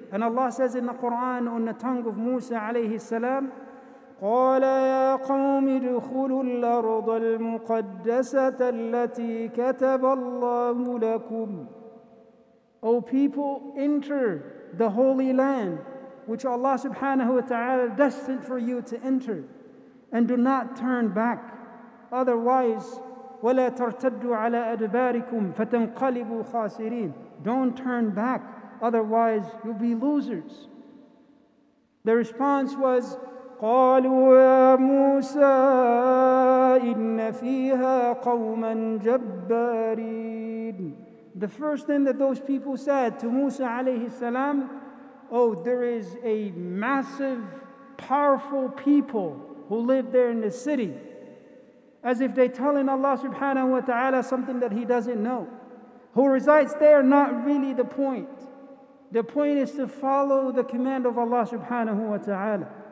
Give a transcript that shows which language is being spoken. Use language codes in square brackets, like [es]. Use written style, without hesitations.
[en] And Allah says in the Quran on the tongue of Musa alayhi salam, [ar] قَالَ يَا قَوْمِ ادْخُلُوا الْأَرْضَ الْمُقَدَّسَةَ الَّتِي كَتَبَ اللَّهُ لَكُمْ. [en] O people, enter the Holy Land which Allah subhanahu wa ta'ala destined for you to enter, and do not turn back. Otherwise, [ar] وَلَا تَرْتَدُّ عَلَىٰ أَدْبَارِكُمْ فَتَنْقَلِبُوا خَاسِرِينَ. [en] Don't turn back, otherwise you'll be losers. The response was, [ar] قَالُوا يَا مُوسَىٰ إِنَّ فِيهَا قَوْمًا جَبَّارِينَ. [en] The first thing that those people said to Musa alayhi salam, oh, there is a massive, powerful people who live there in the city. As if they're telling Allah subhanahu wa ta'ala something that he doesn't know. Who resides there, not really the point. The point is to follow the command of Allah subhanahu wa ta'ala.